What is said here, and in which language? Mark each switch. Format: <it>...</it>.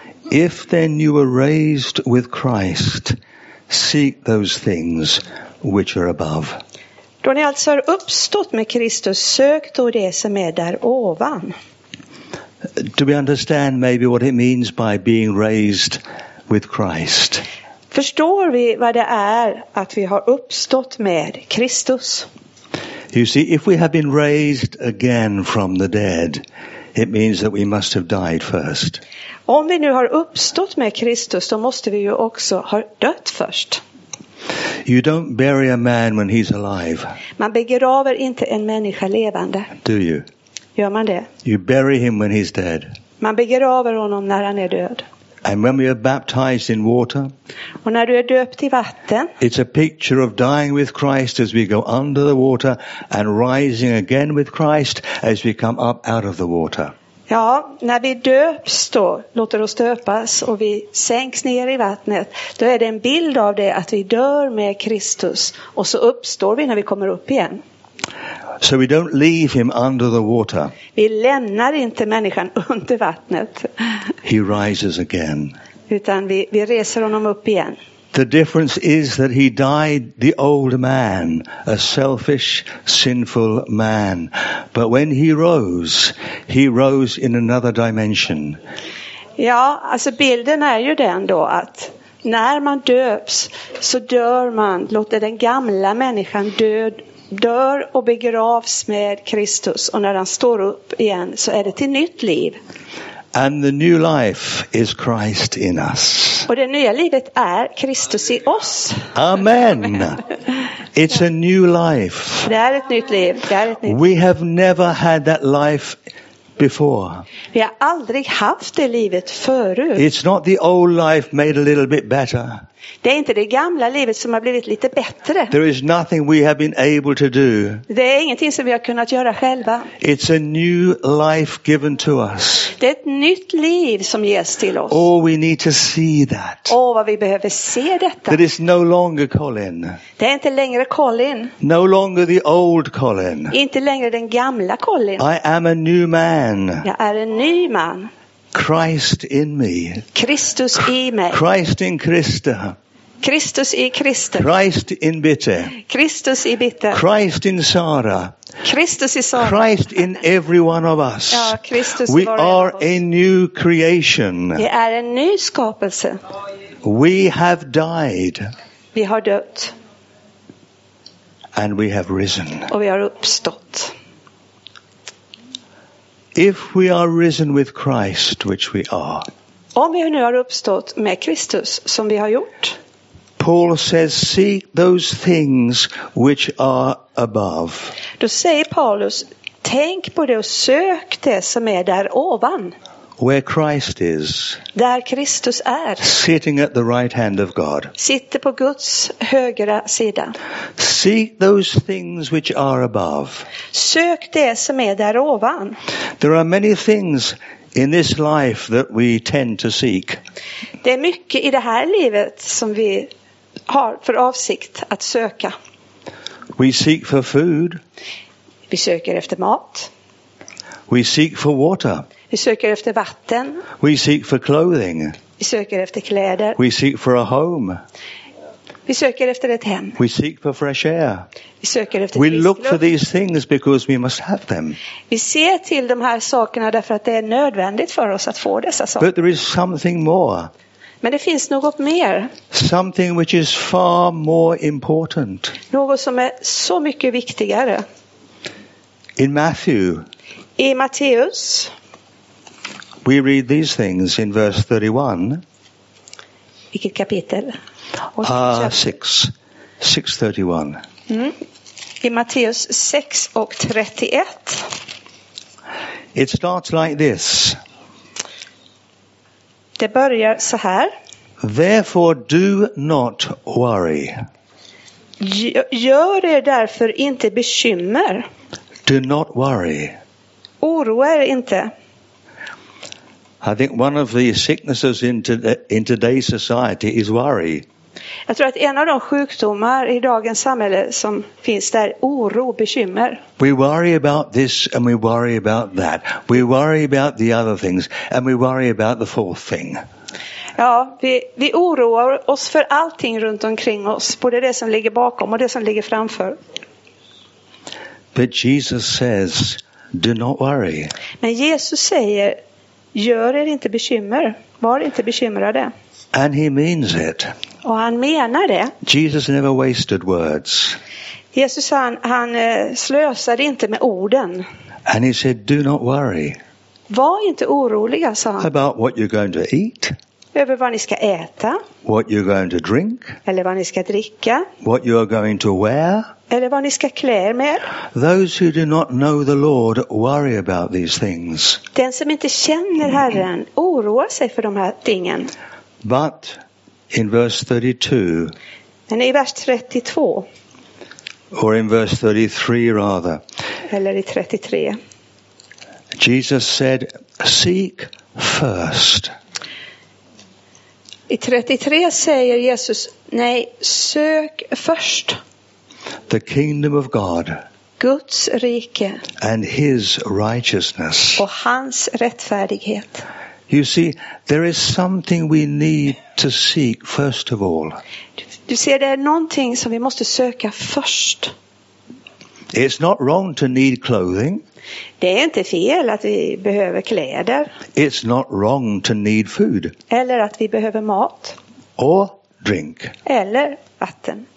<en>If then you were raised with Christ, seek those things which are above.</en> <sv>Då ni alltså har uppstått med Kristus, sök då det som är där ovan.</sv> <en>Do we understand maybe what it means by being raised with Christ?</en> <sv>Förstår vi vad det är att vi har uppstått med Kristus?</sv> <en>You see, if we have been raised again from the dead, it means that we must have died first.</en> <sv>Om vi nu har uppstått med Kristus, då måste vi ju också ha dött först.</sv> <en>You don't bury a man when he's alive.</en> <sv>Man begraver inte en människa levande.</sv> <en>Do you?</en> <sv>Gör man det?</sv> <en>You bury him when he's dead.</en> <sv>Man begraver honom när han är död.</sv> <en>And when we are baptized in water,</en> <sv>och när du är döpt i vatten,</sv> <en>it's a picture of dying with Christ as we go under the water and rising again with Christ as we come up out of the water.</en> <sv>Ja, när vi döps då, låter oss döpas och vi sänks ner i vattnet, då är det en bild av det att vi dör med Kristus och så uppstår vi när vi kommer upp igen.</sv> <en>So we don't leave him under the water.</en> <sv>Vi lämnar inte människan under vattnet.</sv> <en>He rises again.</en> <sv>Utan vi reser honom upp igen.</sv> <en>The difference is that he died the old man, a selfish, sinful man. But when he rose in another dimension.</en> <sv>Ja, alltså bilden är ju den då att när man döps så dör man, låter den gamla människan dör och begravs med Kristus. Och när han står upp igen så är det till nytt liv.</sv> <en>And the new life is Christ in us.</en> <sv>Och det nya livet är Kristus i oss.</sv> <en>Amen. It's a new life.</en> <sv>Det är ett nytt liv.</sv> <en>We have never had that life before.</en> <sv>Vi har aldrig haft det livet förut.</sv> <en>It's not the old life made a little bit better.</en> <sv>Det är inte det gamla livet som har blivit lite bättre.</sv> <en>There is nothing we have been able to do.</en> <sv>Det är ingenting som vi har kunnat göra själva.</sv> <en>It's a new life given to us.</en> <sv>Det är ett nytt liv som ges till oss.</sv> <en>Oh, we need to see that.</en> <sv>Oh, vad vi behöver se detta.</sv> <en>That is no longer Colin.</en> <sv>Det är inte längre Colin.</sv> <en>No longer the old Colin.</en> <sv>Inte längre den gamla Colin.</sv> <en>I am a new man.</en> <sv>Jag är en ny man.</sv> <en>Christ in me.</en> <sv>Christus i mig.</sv> <en>Christ in Christa.</en> <sv>Christus i Christa.</sv> <en>Christ in Bitte.</en> <sv>Christus i Bitte.</sv> <en>Christ in Sara.</en> <sv>Christus i Sara.</sv> <en>Christ in every one of us.</en> <sv>Ja, Christus</sv> <en>we are a new creation.</en> <sv>Vi är en ny skapelse.</sv> <en>We have died.</en> <sv>Vi har dött.</sv> <en>And we have risen.</en> <sv>Och vi har uppstått.</sv> <en>If we are risen with Christ, which we are.</en> <sv>Om vi nu har uppstått med Kristus, som vi har gjort.</sv> <en>Paul says, seek those things which are above.</en> <sv>Då säger Paulus, tänk på det och sök det som är där ovan.</sv> <en>Where Christ is.</en> <sv>Där Kristus är.</sv> <en>Sitting at the right hand of God.</en> <sv>Sitter på Guds högra sida.</sv> <en>Seek those things which are above.</en> <sv>Sök det som är där ovan.</sv> <en>There are many things in this life that we tend to seek.</en> <sv>Det är mycket i det här livet som vi har för avsikt att söka.</sv> <en>We seek for food.</en> <sv>Vi söker efter mat.</sv> <en>We seek for water.</en> <sv>Vi söker efter vatten.</sv> <en>We seek for clothing.</en> <sv>Vi söker efter kläder.</sv> <en>We seek for a home.</en> <sv>Vi söker efter ett hem.</sv> <en>We seek for fresh air.</en> <sv>Vi söker efter</sv> <en>We look for these things because we must have them.</en> <sv>Vi ser till de här sakerna därför att det är nödvändigt för oss att få dessa saker.</sv> <en>But there is something more.</en> <sv>Men det finns något mer.</sv> <en>Something which is far more important.</en> <sv>Något som är så mycket viktigare.</sv> <en>In Matthew.</en> <sv>I Matteus.</sv> <en>We read these things in verse 31.</en> <sv>Vilket kapitel?</sv> <en>6:31.</en> <sv>I Matteus 6 och 31.</sv> <en>It starts like this.</en> <sv>Det börjar så här.</sv> <en>Therefore do not worry.</en> <sv>Gör er därför inte bekymmer.</sv> <en>Do not worry.</en> <sv>Oroa er inte.</sv> <en>I think one of the sicknesses in today's society is worry.</en> <sv>Jag tror att en av de sjukdomar i dagens samhälle som finns där oro och bekymmer.</sv> <en>We worry about this and we worry about that. We worry about the other things and we worry about the fourth thing.</en> <sv>Ja, vi oroar oss för allting runt omkring oss, både det som ligger bakom och det som ligger framför.</sv> <en>But Jesus says, do not worry.</en> <sv>Men Jesus säger, gör er inte bekymmer, var inte bekymrade.</sv> <en>And he means it.</en> <sv>Och han menar det.</sv> <en>Jesus never wasted words.</en> <sv>Jesus han slösade inte med orden.</sv> <en>And he said, do not worry.</en> <sv>Var inte oroliga, sa han.</sv> <en>About what you're going to eat.</en> <sv>Över vad ni ska äta.</sv> <en>What you're going to drink.</en> <sv>Eller vad ni ska dricka.</sv> <en>What you are going to wear.</en> <sv>Eller vad ni ska klä er med.</sv> <en>Those who do not know the Lord worry about these things.</en> <sv>Den som inte känner Herren oroar sig för de här tingen.</sv> <en>But in verse 32.</en> <sv>Men i vers 32.</sv> <en>Or in verse 33 rather.</en> <sv>Eller i 33.</sv> <en>Jesus said, seek first.</en> <sv>I 33 säger Jesus, nej, sök först.</sv> <en>The kingdom of God.</en> <sv>Guds rike.</sv> <en>And his righteousness.</en> <sv>Och hans rättfärdighet.</sv> <en>You see, there is something we need to seek first of all.</en> <sv>Du ser, det är någonting som vi måste söka först.</sv> <en>It's not wrong to need clothing.</en> <sv>Det är inte fel att vi behöver kläder.</sv> <en>It's not wrong to need food.</en> <sv>Eller att vi behöver mat.</sv> <en>Or drink.</en> <sv>Eller vatten.</sv>